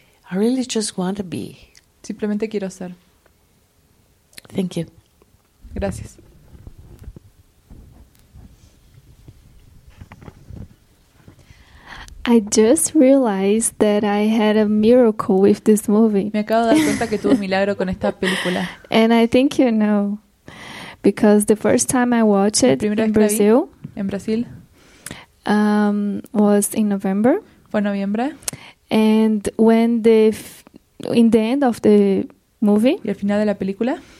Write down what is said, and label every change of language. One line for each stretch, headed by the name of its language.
English: I really just want to be.
Spanish: Simplemente quiero ser.
English: Thank you.
Spanish: Gracias.
English: I just realized that I had a miracle with this movie.
Spanish: Me acabo de dar cuenta que tuve un milagro con esta película.
English: And I think you know, because the first time I watched it in Brazil, was in November.
Spanish: Fue en noviembre.
English: And when in the end of the movie,
Spanish: y al final de la película,